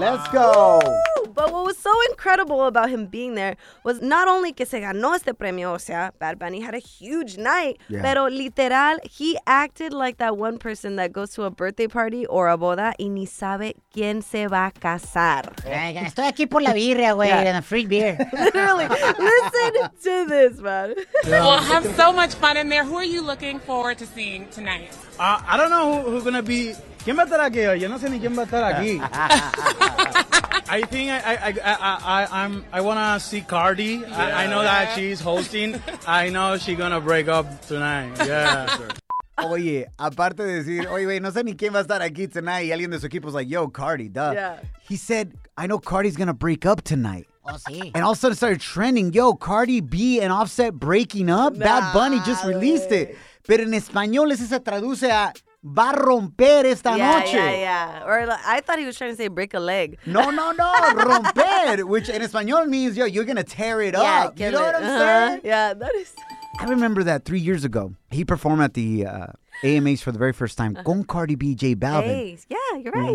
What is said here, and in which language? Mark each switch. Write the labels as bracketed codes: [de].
[en] Let's go! Woo! But what was so incredible about him being there was not only [es] que se ganó este premio, o sea, [en] Bad Bunny had a huge night, [es] pero literal, [en] he acted like that one person that goes to a birthday party or a [es] boda y ni sabe quién se va a casar. Estoy aquí por la birria, güey, [en] and a free beer. Literally, listen to this, man. Well, have so much fun in there. Who are you looking forward to seeing tonight? I don't know who's going to be. [es] ¿Quién va a estar aquí? Yo no sé ni quién va a estar aquí. [en] I think I want to see Cardi. Yeah. I know that she's hosting. I know she's going to break up tonight. Yeah, sure. [es] Oye, aparte de decir, oye, wey, no sé ni quién va a estar aquí tonight. Y alguien de su equipo es like, yo, Cardi, duh. [en] Yeah. He said, I know Cardi's going to break up tonight. [es] Oh, sí. [en] And all of a sudden it started trending. Yo, Cardi B and Offset breaking up? Nah, Bad Bunny just released it. [es] Pero en español ese se traduce a, va a romper esta noche. [en] Yeah, yeah. Or like, I thought he was trying to say break a leg. No. Romper, which in español means, yo, you're going to tear it up. You know what I'm saying? Yeah, that is... I remember that 3 years ago, he performed at the AMAs for the very first time. [es] Uh-huh. Con Cardi B, J Balvin. [en] Yeah, you're right.